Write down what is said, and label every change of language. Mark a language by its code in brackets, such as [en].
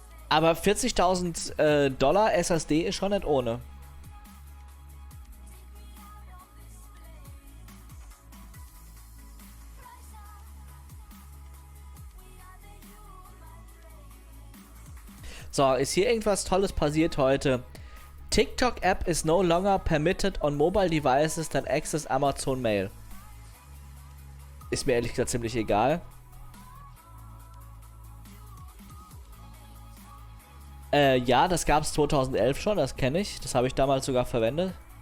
[de] Aber 40.000 Dollar SSD ist schon nicht ohne. So, ist hier irgendwas Tolles passiert heute? [en] TikTok-App is no longer permitted on mobile devices than access Amazon Mail. [de] Ist mir ehrlich gesagt ziemlich egal. Ja, das gab's 2011 schon, das kenne ich. Das habe ich damals sogar verwendet.